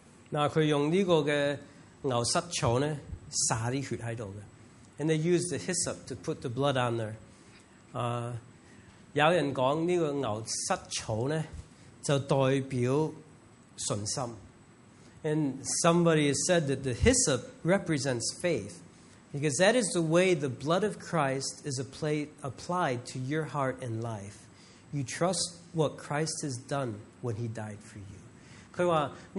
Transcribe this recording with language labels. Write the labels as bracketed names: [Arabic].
[English] And they used the hyssop to put the blood on there. [Chinese] 有人說這個牛蝨草呢就代表信心. [English] And somebody has said that the hyssop represents faith, because that is the way the blood of Christ is applied to your heart and life. You trust what Christ has done when he died for you.